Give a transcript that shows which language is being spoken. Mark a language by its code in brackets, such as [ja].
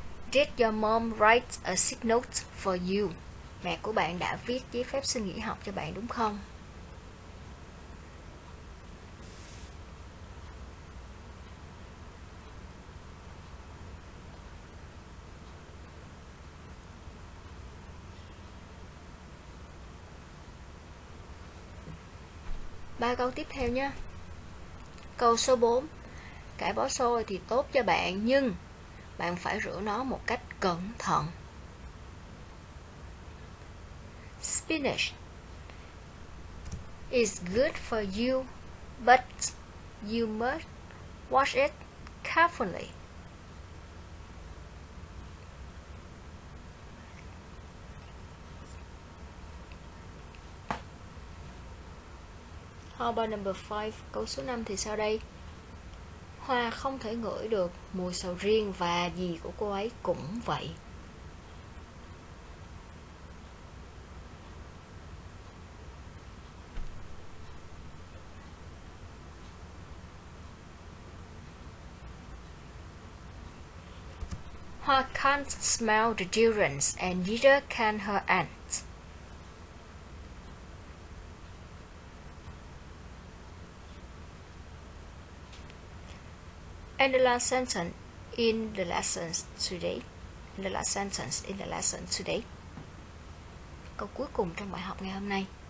[en] Did your mom write a sick note for you? [vi] Mẹ của bạn đã viết giấy phép xin nghỉ học cho bạn đúng không? Ba câu tiếp theo nhé. Câu số 4. Cải bó xôi thì tốt cho bạn nhưng bạn phải rửa nó một cách cẩn thận. [en] Spinach is good for you, but you must wash it carefully. How about number 5? [vi] Câu số 5 thì sao đây? Hoa không thể ngửi được mùi sầu riêng và gì của cô ấy cũng vậy. [en] Hoa can't smell the durians and neither can her aunt. And the last sentence in the lesson today. The last sentence in the lesson today. [vi] Câu cuối cùng trong bài học ngày hôm nay.